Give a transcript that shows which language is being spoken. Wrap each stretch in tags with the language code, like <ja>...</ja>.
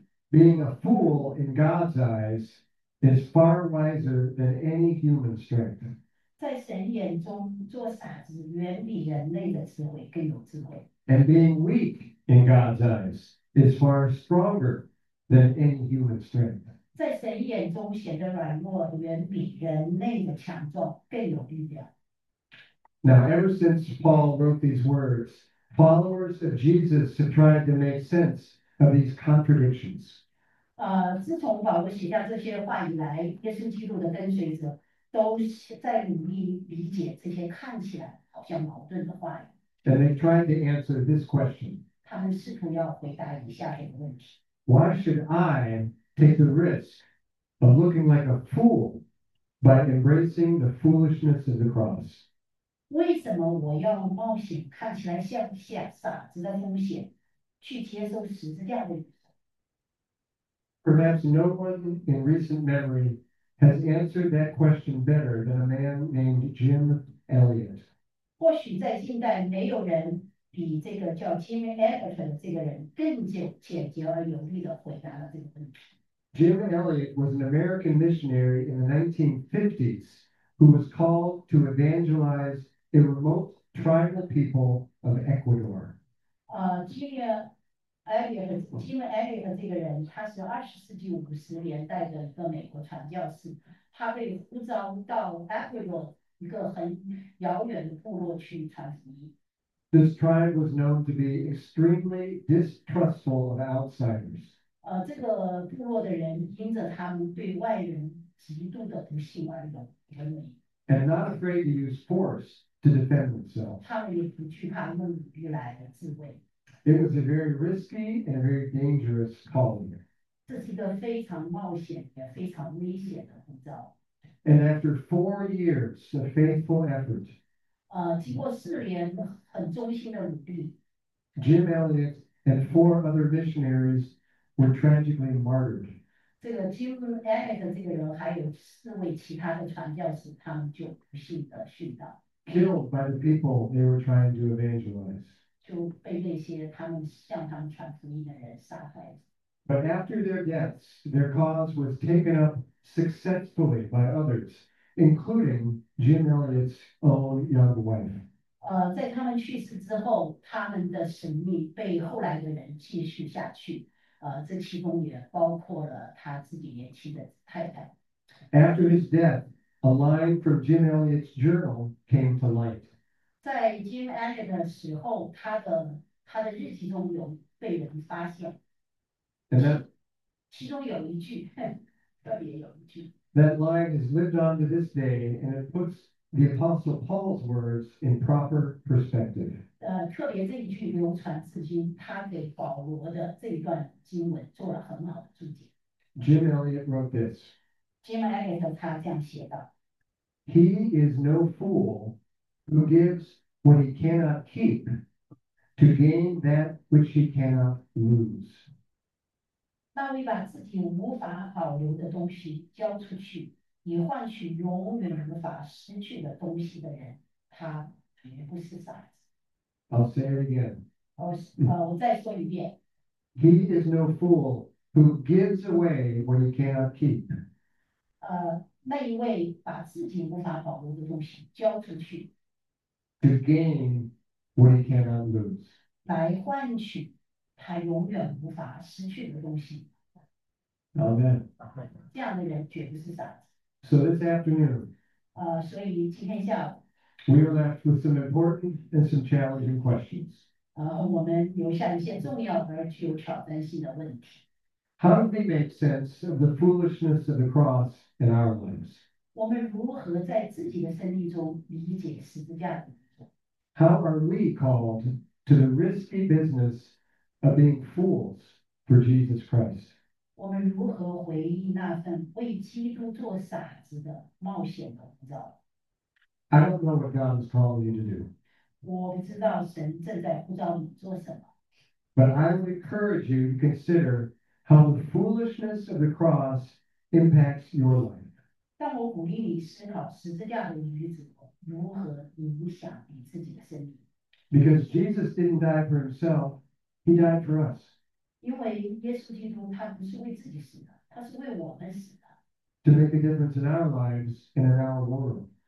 <en>Being a fool in God's eyes is far wiser than any human strength.</en> <zh>在神眼中做傻子，远比人类的智慧更有智慧。</zh> <en>And being weak in God's eyes is far stronger than any human strength.</en> <zh>在神眼中显得软弱，远比人类的强壮更有力量。</zh> <en>Now, ever since Paul wrote these words, followers of Jesus have tried to make sense of these contradictions.</en> <zh>自从保罗写下这些话以来，耶稣基督的跟随者都在努力理解这些看起来好像矛盾的话语。</zh> <en>And they tried to answer this question.</en> <zh>他们试图要回答以下一个问题。</zh> <en>Why should I take the risk of looking like a fool by embracing the foolishness of the cross?</en> <zh>为什么我要冒险看起来像傻子的风险去接受十字架的？</zh> <en>Perhaps no one in recent memory has answered that question better than a man named Jim Elliot.</en> <zh>或许在近代没有人比这个叫 Jim Elliot 的这个人更简洁而有力地回答了这个问题。</zh> <en>Jim Elliot was an American missionary in the 1950s who was called to evangelize a remote tribal people of Ecuador.</en> <zh>Jim Elliot 这个人，他是20世纪50年代的一个美国传教士，他被呼召到 Ecuador 一个很遥远的部落去传福音。</zh> <en>This tribe was known to be extremely distrustful of outsiders.</en> <zh>这个部落的人因着他们对外人极度的不信外人闻名。</zh> <en>And not afraid to use force to defend themselves.</en> <zh>他们也不惧怕用武力来自卫。</zh> <en>It was a very risky and a very dangerous calling.</en> <zh>这是一个非常冒险也非常危险的呼召。</zh> <en>And after 4 years of faithful effort,</en> <zh>经过4年很忠心的努力</zh> <en>，Jim Elliot and 4 other missionaries were tragically martyred.</en> <zh>这个 Jim Elliot 这个人还有4位其他的传教士，他们就不幸的殉道。</zh> <en>Killed by the people they were trying to evangelize.</en> <zh>就被那些他们向他们传福音的人杀害。</zh> <en>But after their deaths, their cause was taken up successfully by others, including Jim Elliot's own young wife.</en> <zh>在他们去世之后，他们的使命被后来的人继续下去。这其中也包括了他自己年轻的太太。</zh> <en>After his death, a line from Jim Elliot's journal came to light.</en> <zh>在 Jim Elliot 的死后，他的日记中有被人发现。</zh> <en>And that,</en> <zh>其中有一句，特别有一句。</zh> <en>That line has lived on to this day, and it puts the Apostle Paul's words in proper perspective.</en> <zh>特别这一句流传至今，他给保罗的这一段经文做了很好的注解。</zh> <en>Jim Elliot wrote this.</en> <zh>Jim Elliot 他这样写道。</zh> <en>He is no fool who gives what he cannot keep to gain that which he cannot lose.</en> <zh>那位把自己无法保留的东西交出去，以换取永远无法失去的东西的人，他绝不是傻子。</zh> <en>I'll say it again.</en> <zh>我再说一遍。</zh> <en>He is no fool who gives away what he cannot keep.</en> <zh>那一位把自己无法保留的东西交出去。</zh> <en>To gain what he cannot lose.</en> <zh>来换取他永远无法失去的东西。</zh> <en>Amen.</en> <zh>这样的人绝不是傻子。</zh> <en>So this afternoon.</en> <zh>所以今天下午。</zh> <en>We are left with some important and some challenging questions.</en> <zh>我们留下一些重要而具有挑战性的问题。</zh> <en>How do we make sense of the foolishness of the cross in our lives?</en> <zh>我们如何在自己的生命中理解十字架？</zh> <en>How are we called to the risky business of being fools for Jesus Christ?</en> <zh>我们如何回应那份为基督做傻子的冒险的呼召？</zh> <en>I don't know what God is calling you to do.</en> <zh>我不知道神正在呼召你做什么。</zh> <en>But I would encourage you to consider how the foolishness of the cross impacts your life.</en> <zh>但我鼓励你思考十字架的女子如何影响你自己的生命。</zh> <en>Because Jesus didn't die for himself, he died for us.</en> <zh>因为耶稣基督他不是为自己死的，他是为我们死的。</zh> <en>To make a difference in our lives and in our world.</en>